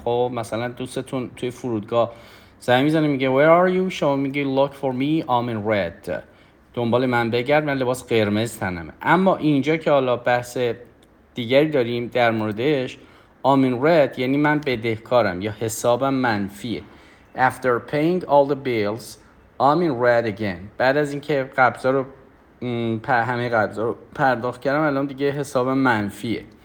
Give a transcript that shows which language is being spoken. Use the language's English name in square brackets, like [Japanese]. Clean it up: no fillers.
[Persian] خب مثلا دوستتون توی فرودگاه زنگ میزنه میگه [English] Where are you؟ [Persian] شما میگه [English] Look for me, I'm in red. [Persian] دنبال من بگرد، من لباس قرمز تنمه. اما اینجا که حالا بحث دیگری داریم در موردش، [English] I'm in red [Persian] یعنی من بدهکارم یا حسابم منفیه. [English] After paying all the bills, I'm in red again. [Persian] بعد از اینکه قبضا رو همه قبضا رو پرداخت کردم، الان دیگه حسابم منفیه.